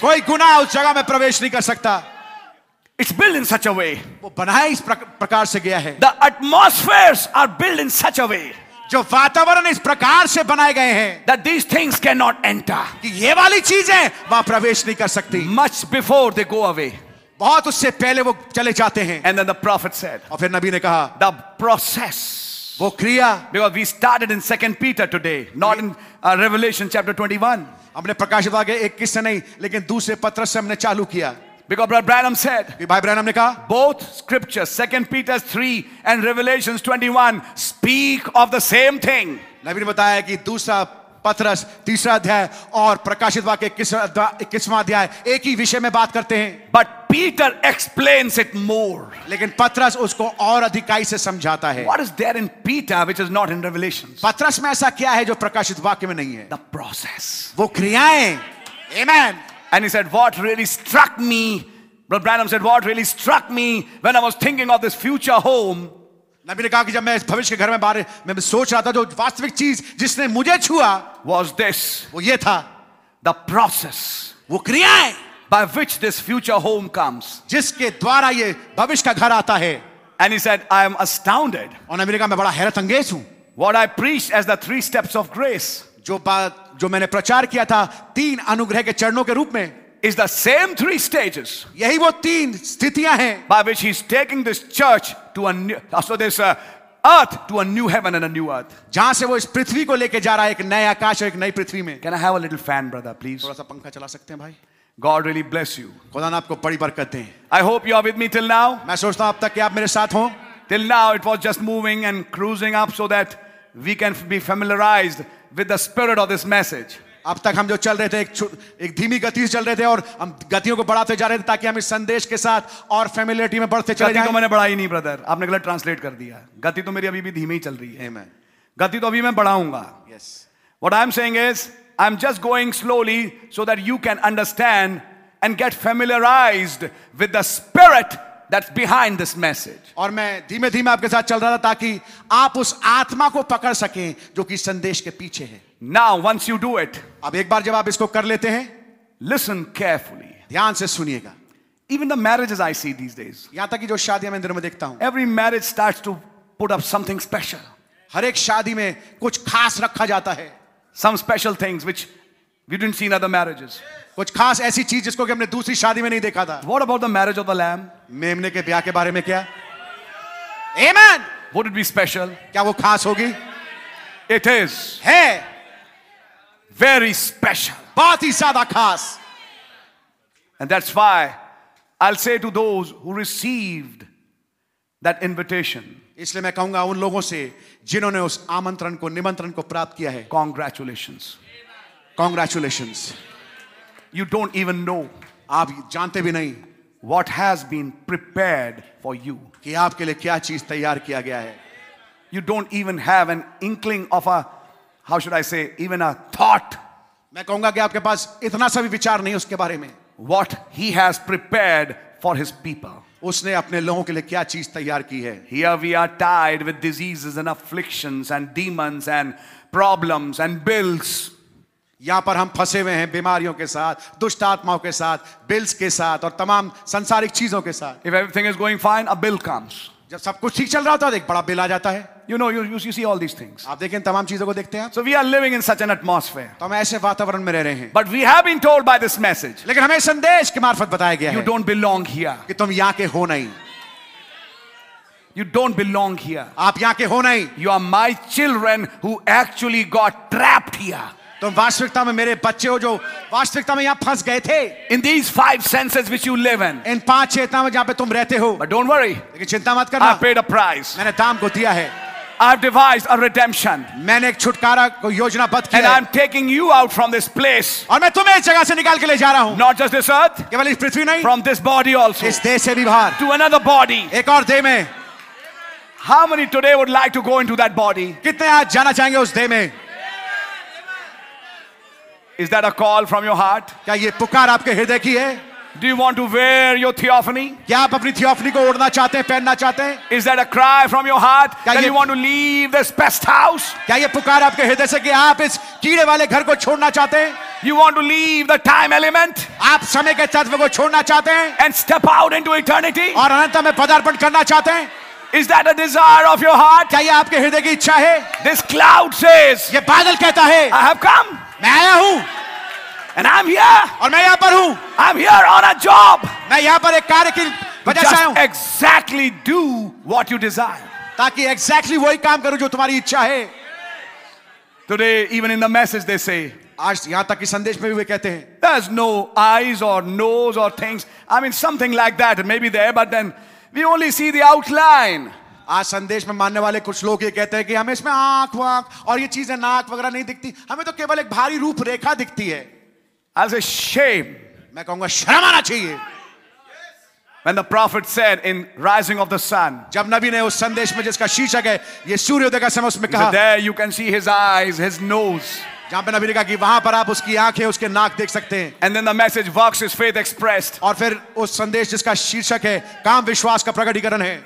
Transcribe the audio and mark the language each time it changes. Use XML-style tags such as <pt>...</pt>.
<hi>कोई गुनाह उस जगह में प्रवेश नहीं कर सकता.</hi> <en>It's built in such a way,</en> <hi>वो बनाया इस प्रकार से गया है.</hi> <en>The atmospheres are built in such a way,</en> <hi>जो वातावरण इस प्रकार से बनाए गए हैं.</hi> <en>That these things cannot enter,</en> <hi>कि ये वाली चीजें वहां प्रवेश नहीं कर सकती.</hi> <en>Much before they go away,</en> <hi>बहुत उससे पहले वो चले जाते हैं.</hi> <en>And then the prophet said,</en> <hi>और फिर नबी ने कहा,</hi> <en>the process,</en> <hi>वो क्रिया.</hi> <en>Because we started in 2 Peter today, not in Revelation chapter 21.</en> <hi>हमने प्रकाशित वाक्य 21 से नहीं लेकिन दूसरे पत्र से हमने चालू किया.</hi> <en>Because Brother Branham said,</en> <hi>भाई ब्रैनम ने कहा,</hi> <en>both scriptures, 2 Peter 3 and Revelation 21, speak of the same thing.</en> <hi>नबी ने बताया कि दूसरा पत्रस, तीसरा अध्याय और प्रकाशित वाक्य 21वां अध्याय एक ही विषय में बात करते हैं.</hi> <en>But Peter explains it more.</en> <hi>लेकिन पत्रस उसको और अधिकाई से समझाता है.</hi> <en>What is there in Peter which is not in Revelation?</en> <hi>पत्रस में ऐसा क्या है जो प्रकाशित वाक्य में नहीं है?</hi> <en>The process.</en> <hi>वो क्रियाएं. Amen.</hi> <en>And he said, what really struck me, Brother Branham said, what really struck me when I was thinking of this future home.</en> <hi>नबी ने कहा कि जब मैं इस भविष्य के घर में बारे में सोच रहा था, जो वास्तविक चीज जिसने मुझे छुआ,</hi> <en>was this,</en> <hi>वो ये था,</hi> <en>the process,</en> <hi>वो क्रियाएं,</hi> <en>by which this future home comes,</en> <hi>जिसके द्वारा ये भविष्य का घर आता है.</hi> <en>And he said, I am astounded.</en> <hi>और नबी ने कहा, मैं बड़ा हैरतअंगेज हूं.</hi> <en>What I preached as the three steps of grace,</en> <hi>जो बात जो मैंने प्रचार किया था तीन अनुग्रह के चरणों के रूप में,</hi> <en>is the same three stages,</en> <hi>यही वो तीन स्थितियां हैं,</hi> <en>by which he is taking this church to a new, so this earth to a new heaven and a new earth,</en> <hi>जहां से वो इस पृथ्वी को लेके जा रहा है एक नए आकाश और एक नई पृथ्वी में.</hi> <en>can I have a little fan brother please,</en> <hi>थोड़ा सा पंखा चला सकते हैं भाई.</hi> <en>God really bless you.</en> <hi>खुदा ने आपको बड़ी बरकत दे.</hi> <en>I hope you are with me till now.</en> <hi>मैं सोचता हूं अब तक कि आप मेरे साथ हो.</hi> <en>Till now it was just moving and cruising up so that we can be familiarized with the spirit of this message.</en> <hi>अब तक हम जो चल रहे थे एक धीमी गति से चल रहे थे और हम गतियों को बढ़ाते जा रहे थे ताकि हम इस संदेश के साथ और फैमिलियरिटी में बढ़ते चले जाएं. तो मैंने बढ़ाई नहीं ब्रदर, आपने गलत ट्रांसलेट कर दिया. गति तो मेरी अभी भी धीमी ही चल रही है.</hi> <en>Amen.</en> <hi>गति तो अभी मैं बढ़ाऊंगा.</hi> <en>Yes. What I'm saying is, I'm just going slowly so that you can understand and get familiarized with the spirit that's behind this message.</en> <hi>और मैं धीमे धीमे आपके साथ चल रहा था ताकि आप उस आत्मा को पकड़ सकें जो कि संदेश के पीछे है.</hi> <en>Now, once you do it,</en> <hi>अब एक बार जब आप इसको कर लेते हैं,</hi> <en>listen carefully,</en> <hi>ध्यान से सुनिएगा.</hi> <en>Even the marriages I see these days,</en> <hi>यहां तक कि जो शादियां मैं दिन में देखता हूं,</hi> <en>every marriage starts to put up something special.</en> <hi>हर एक शादी में कुछ खास रखा जाता है.</hi> <en>Some special things which we didn't see in other marriages.</en> <hi>कुछ खास ऐसी चीज जिसको कि हमने दूसरी शादी में नहीं देखा था.</hi> <en>What about the marriage of the lamb?</en> <hi>मेमने के ब्याह के बारे में क्या?</hi> <en>Amen. Would it be special?</en> <hi>क्या वो खास होगी?</hi> <en>It is.</en> <hi>है.</hi> <en>Very special.</en> <hi>बहुत ही ज्यादा खास.</hi> <en>And that's why I'll say to those who received that invitation.</en> <hi>इसलिए मैं कहूंगा उन लोगों से जिन्होंने उस आमंत्रण को निमंत्रण को प्राप्त किया है.</hi> <en>Congratulations. Congratulations. You don't even know.</en> <hi>आप जानते भी नहीं.</hi> <en>What has been prepared for you?</en> <hi>कि आपके लिए क्या चीज तैयार किया गया है.</hi> <en>You don't even have an inkling of a, how should I say, even a thought.</en> <hi>मैं कहूंगा कि आपके पास इतना सा भी विचार नहीं उसके बारे में.</hi> <en>What he has prepared for his people.</en> <hi>उसने अपने लोगों के लिए क्या चीज तैयार की है.</hi> <en>Here we are tied with diseases and afflictions and demons and problems and bills.</en> <hi>यहां पर हम फंसे हुए हैं बीमारियों के साथ, दुष्ट आत्माओं के साथ, बिल्स के साथ और तमाम संसारिक चीजों के साथ.</hi> <en>If everything is going fine, a bill comes.</en> <hi>जब सब कुछ ठीक चल रहा होता है, एक बड़ा बिल आ जाता है.</hi> <en>You know, you see all these things.</en> <hi>आप देखें तमाम चीजों को देखते हैं.</hi> <en>So we are living in such an atmosphere.</en> <hi>तो हम ऐसे वातावरण में रह रहे हैं.</hi> <en>But we have been told by this message.</en> <hi>लेकिन हमें संदेश के मार्फत बताया गया है.</hi> <en>You don't belong here.</en> <hi>कि तुम यहाँ के हो नहीं.</hi> <en>You don't belong here.</en> <hi>आप यहाँ के हो नहीं.</hi> <en>You are my children who actually got trapped here.</en> <hi>तुम वास्तविकता में मेरे बच्चे हो जो वास्तविकता में यहाँ फंस गए थे.</hi> <en>In these five senses which you live in.</en> <hi>इन पांच चेतना में जहाँ पे तुम रहते हो.</hi> <en>But don't worry.</en> <hi>लेकिन चिंता मत करना.</hi> <en>I paid a price.</en> <hi>मैंने दाम को दिया है.</hi> <en>I've devised a redemption.</en> <hi>मैंने एक छुटकारा को योजना बद्ध किया.</hi> <en>And I'm taking you out from this place.</en> <hi>और मैं तुम्हें इस जगह से निकाल के ले जा रहा हूँ.</hi> <en>Not just this earth.</en> <hi>केवल इस पृथ्वी नहीं.</hi> <en>From this body also.</en> <hi>इस देह से भी बाहर.</hi> <en>To another body.</en> <hi>एक और देह में.</hi> <en>How many today would like to go into that body?</en> <hi>कितने आज जाना चाहेंगे उस देह में?</hi> <en>Is that a call from your heart?</en> <hi>क्या ये पुकार आपके हृदय की है?</hi> <en>Do you want to wear your theophany?</en> <hi>क्या आप अपनी थियोफनी को ओढ़ना चाहते हैं, पहनना चाहते हैं?</hi> <en>Is that a cry from your heart? Do you want to leave this pest house?</en> <hi>क्या ये पुकार आपके हृदय से कि आप इस कीड़े वाले घर को छोड़ना चाहते हैं?</hi> <en>You want to leave the time element?</en> <hi>आप समय के तत्व को छोड़ना चाहते हैं?</hi> <en>And step out into eternity?</en> <hi>और अनंत में पदार्पण करना चाहते हैं?</hi> <en>Is that a desire of your heart?</en> <hi>क्या ये आपके हृदय की इच्छा है?</hi> <en>This cloud says.</en> <hi>ये बादल कहता है.</hi> <en>I have come.</en> <hi>मैं आया हूँ.</hi> <en>And I'm here.</en> <hi>और मैं यहाँ पर हूँ.</hi> <en>I'm here on a job.</en> <hi>मैं यहाँ पर एक कार्य की वजह से आया हूँ.</hi> <en>Exactly do what you desire.</en> <hi>ताकि exactly वही काम करूँ जो तुम्हारी इच्छा है.</hi> <en>Today, even in the message they say.</en> <hi>आज यहाँ तक कि संदेश में भी वे कहते हैं.</hi> <en>There's no eyes or nose or things. I mean something like that. Maybe there, but then we only see the outline.</en> <hi>आज संदेश में मानने वाले कुछ लोग ये कहते हैं कि हमें इसमें आंख वाख और ये चीजें नाक वगैरह नहीं दिखती. हमें तो केवल एक भारी रूप रेखा दिखती है.</hi> <en>As a shame.</en> <hi>मैं कहूंगा शर्म आना चाहिए.</hi> <en>When the prophet said in rising of the sun.</en> <hi>जब नबी ने उस संदेश में जिसका शीर्षक है ये सूर्योदय का समय उसमें कहा.</hi> <en>There you can see his eyes, his nose.</en> <hi>जहां पर नबी ने कहा कि वहां पर आप उसकी आंखें उसके नाक देख सकते हैं.</hi> <en>And then the message works his faith expressed.</en> <hi>और फिर उस संदेश जिसका शीर्षक है काम विश्वास का प्रकटीकरण है.</hi>